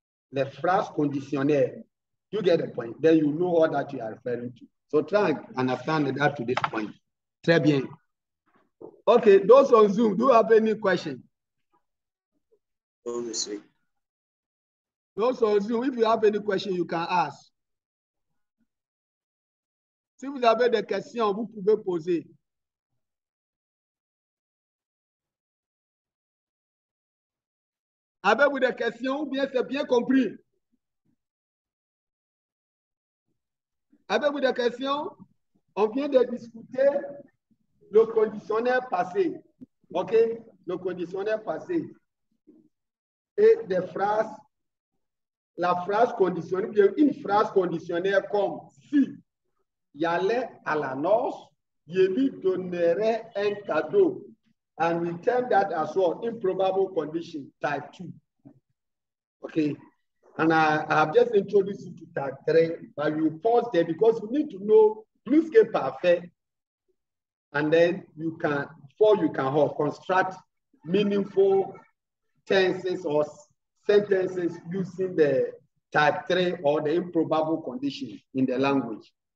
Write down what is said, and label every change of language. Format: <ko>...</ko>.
<fr>Le phrase conditionnel.</fr> <en>You get the point. Then you know all that you are referring to. So try and understand that to this point.</en> <fr>Très bien.</fr> <en>Okay, those on Zoom, do you have any questions? Oh,</en> <fr>monsieur.</fr> <en>Those on Zoom, if you have any question, you can ask.</en> <fr>Si vous avez des questions, vous pouvez poser. Avez-vous des questions ou bien c'est bien compris? Avez-vous des questions? On vient de discuter le conditionnel passé. OK? Le conditionnel passé. Et des phrases, la phrase conditionnelle, une phrase conditionnelle comme si il allait à la noce, je lui donnerais un cadeau.</fr> <en>And we term that as well, improbable condition, type 2. Okay. And I have just introduced you to type 3, but you pause there because you need to know plus que parfait. And then you can, before you can construct meaningful tenses or sentences using the type 3 or the improbable condition in the language.</en>